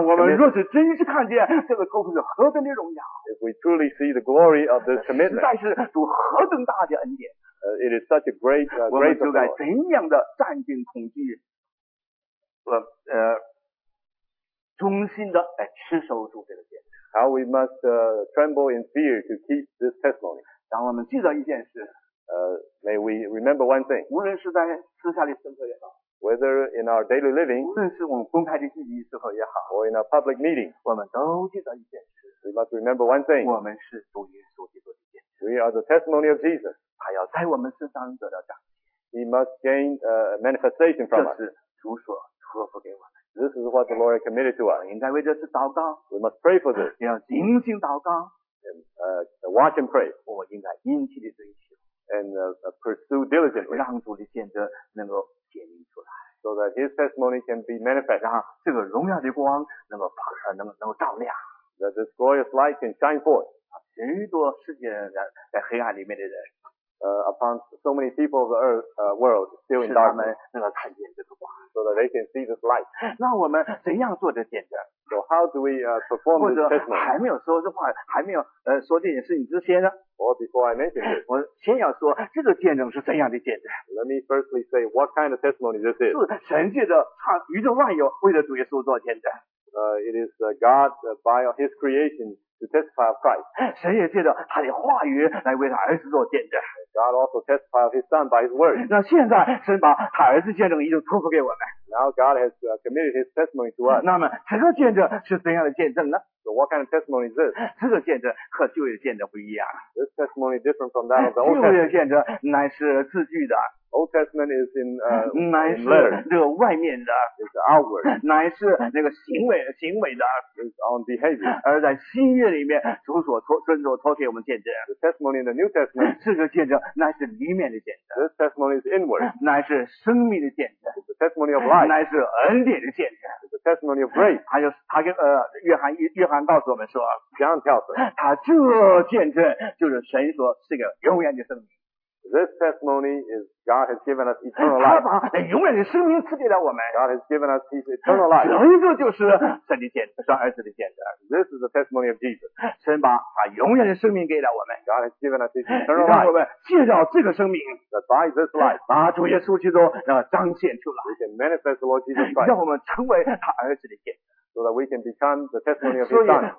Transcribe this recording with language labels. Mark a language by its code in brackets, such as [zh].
[zh] 我们若是真是看见这个托付是何等的荣耀 [en] ，If we truly see the glory of this commitment, [zh] 实在是主何等大的恩典。 [en] It is such a great, great [zh] glory. 我们就该怎样的战兢恐惧，忠心的来持守住这个见证。 [en] How we must tremble in fear to keep this testimony. [zh] 让我们记得一件事。 [en] May we remember one thing. [zh] 无论是在私下里生活也好。 [en] Whether in our daily living. [zh] 无论是我们公开的聚集时候也好。 [en] Or in our public meeting. [zh] 我们都记得一件事。 [en] We must remember one thing. [zh] 我们是主耶稣基督的见证。 [en] We are the testimony of Jesus. [zh] 他要在我们身上得到彰显。 [en] He must gain manifestation from us. [zh] 这是主所托付给我们。 [en] This is what the Lord committed to us. [zh] 应该为这事祷告。 [en] We must pray for this. [zh] 要警醒祷告。 [en] And watch and pray. [zh] 我应该殷切的追求。 [en] And pursue diligently. [zh] 让主的见证能够显明出来。 [en] So that His testimony can be manifest. [zh] 让这个荣耀的光能够发能够照亮。 [en] That this glorious light can shine forth. [zh] 许多世界在黑暗里面的人。 [en] Upon so many people of the earth, world still in darkness, so that they can see this light. [zh] 让我们怎样做这见证？ [en] So how do we perform this testimony? [zh] 或者还没有说这话，还没有说这件事情之前呢？ [en] Or before I mention it, [zh] 我先要说这个见证是怎样的见证？ [en] Let me firstly say what kind of testimony this is. [zh] 是神借着创宇宙万有为了主耶稣做见证。 [en] It is God by His creation to testify of Christ. [zh] 神也借着他的话语来为他儿子做见证。 [en] God also testified of His Son by His Word. [zh] 那现在神把他儿子见证已经托付给我们。 [en] Now God has committed His testimony to us. [zh] 那么这个见证是怎样的见证呢？ [en] So what kind of testimony is this? [zh] 这个见证和旧约见证不一样。 [en] This testimony is different from that of the Old Testament. [zh] 旧约见证乃是字句的。 [en] Old Testament is in [zh] 乃是那个外面的。 [en] It's outward. [zh] 乃是那个行为的。 [en] It's on behavior. [zh] 而在新约里面，主所托给我们见证。 [en] The testimony in the New Testament. [zh] 这个见证乃是里面的见证。 [en] This testimony is inward. [zh] 乃是生命的见证。 [en] It's the testimony of life. [zh] 乃是恩典的见证。 [en] It's the testimony of grace. [zh] 还有他跟约翰告诉我们说。 [en] John tells us. [zh] 他这见证就是神所赐给永远的生命。 [en] This testimony is God has given us eternal life. [zh] 他把永远的生命赐给了我们。 [en] God has given us His eternal life. [zh] 这个就是神的见证，儿子的见证。 [en] This is the testimony of Jesus. [zh] 神把永远的生命给了我们。 [en] God has given us His eternal life. [zh] 我们借着这个生命 [en] that by this life, [zh] 把主耶稣基督彰显出来。 [en] We can manifest the Lord Jesus Christ. [zh] 让我们成为他儿子的见证。 [en] So that we can become the testimony of His Son.